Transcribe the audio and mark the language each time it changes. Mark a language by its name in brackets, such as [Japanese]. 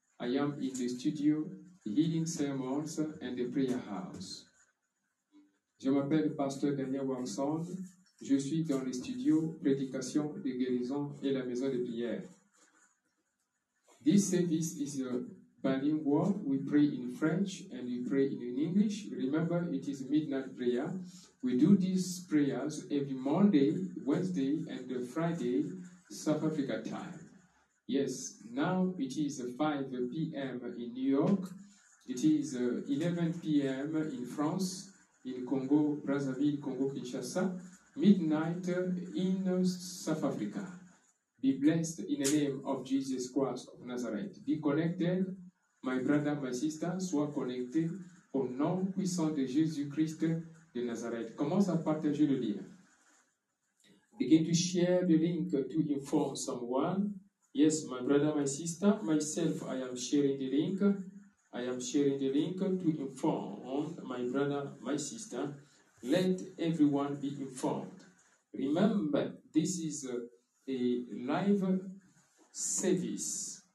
[English] I am in the studio, Healing Sermons and the Prayer House. [French] Je m'appelle Pasteur Daniel Waxon. Je suis dans le studio Prédication de Guérison et la Maison de Prière. [English] This service is a bilingual. We pray in French and we pray in English. Remember, it is midnight prayer. We do these prayers every Monday, Wednesday, and Friday, South Africa time. Yes, now it is 5 p.m. in New York. It is 11 p.m. in France, in Congo, Brazzaville, Congo, Kinshasa. Midnight in South Africa. Be blessed in the name of Jesus Christ of Nazareth. Be connected, my brother, my sister. [French] Sois connecté au nom puissant de Jésus Christ de Nazareth. Commence à partager le lien. [English] Begin to share the link to inform someone. Yes, my brother, my sister, myself, I am sharing the link. I am sharing the link to inform my brother, my sister. Let everyone be informed. Remember, this is a live service.